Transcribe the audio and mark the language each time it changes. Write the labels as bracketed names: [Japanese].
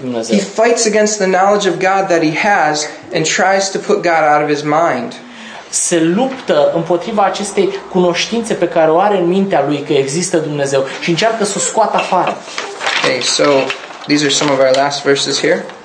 [English] He fights against the knowledge of God that he has and tries to put God out of his mind. [Romanian] Se luptă împotriva acestei cunoștințe pe care o are în mintea lui că există Dumnezeu și încearcă să o scoată afară. [English] Okay, so these are some of our last verses here.